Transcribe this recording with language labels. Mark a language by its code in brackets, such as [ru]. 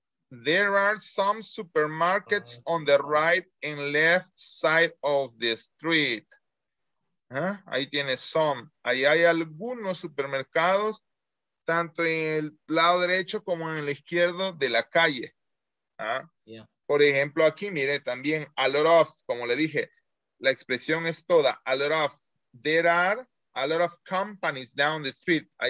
[en] There are some supermarkets on the right and left side of the street. [es] ¿Ah? Ahí tiene some. Ahí hay algunos supermercados, tanto en el lado derecho como en el izquierdo de la calle. ¿Ah? [en] Yeah. [es] Por ejemplo, aquí mire también [en] a lot of, [es] como le dije, la expresión es toda. [en] A lot of, there are a lot of companies down the street.